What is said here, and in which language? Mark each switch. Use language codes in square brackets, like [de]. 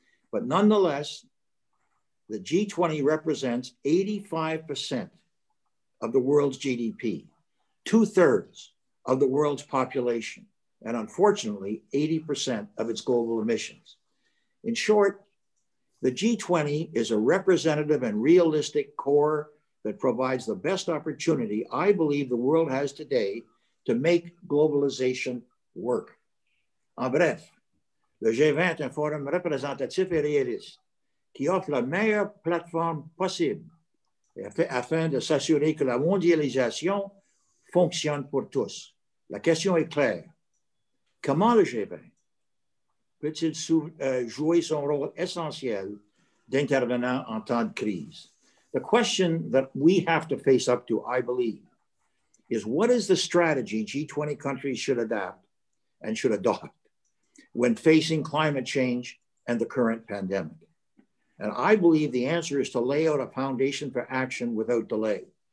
[en] But nonetheless, the G20 represents 85% of the world's GDP, 2/3 of the world's population, and unfortunately, 80% of its global emissions. In short, the G20 is a representative and realistic core that provides the best opportunity I believe the world has today to make globalization work. [fr] En bref, le G20 est un forum représentatif et réaliste qui offre la meilleure plateforme possible afin de s'assurer que la mondialisation fonctionne pour tous. La question est claire. Comment le G20 peut-il jouer son rôle essentiel d'intervenant en temps de crise? [en] The question that we have to face up to, I believe, is what is the strategy G20 countries should adapt and should adopt when facing climate change and the current pandemic? And I believe the answer is to lay out a foundation for action without delay.